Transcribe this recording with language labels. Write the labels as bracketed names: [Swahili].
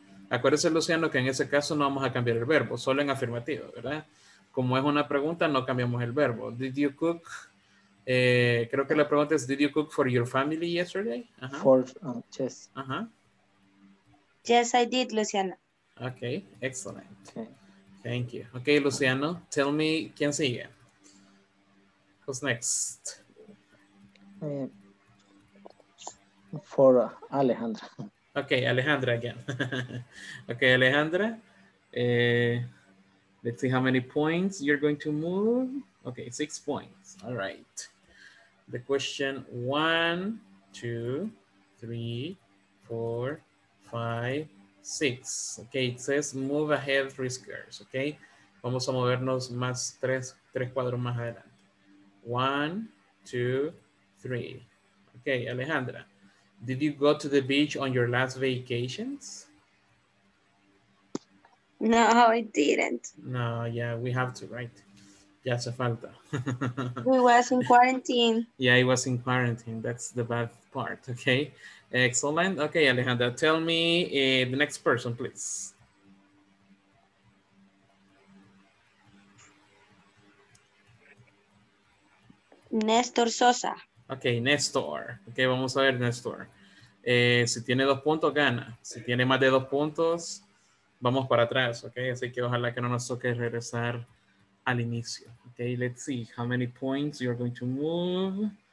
[Spanish] Acuérdese, Luciano, que en ese caso no vamos a cambiar el verbo, solo en afirmativo, ¿verdad? Como es una pregunta, no cambiamos el verbo. [English] Did you cook? [Spanish] Creo que la pregunta es, [English] did you cook for your family yesterday? Yes. Yes, I did, Luciano. Okay, excellent. Okay. Thank you. Okay, Luciano, tell me, [Spanish] ¿quién sigue? [English] Who's next? For Alejandra. Okay, Alejandra again. Okay, Alejandra. Let's see how many points you're going to move. Okay, 6 points. All right. The question 1, 2, 3, 4, 5, 6. Okay, it says move ahead 3 squares. [Spanish] Okay, vamos a movernos más tres cuadros más adelante. [English] 1, 2, 3. Okay, Alejandra, did you go to the beach on your last vacations? No, I didn't. No, yeah, we have to, right? [Spanish] Ya hace falta. [English] We was in quarantine. Yeah, I was in quarantine. That's the bad part. Okay, excellent. Okay, Alejandra, tell me the next person, please. Néstor Sosa. [Spanish] Okay, Néstor. Okay, vamos a ver, Néstor. Si tiene dos puntos, gana. Si tiene más de dos puntos, vamos para atrás, okay? Así que ojalá que no nos toque regresar al inicio. [English] Okay, let's see how many points you're going to move.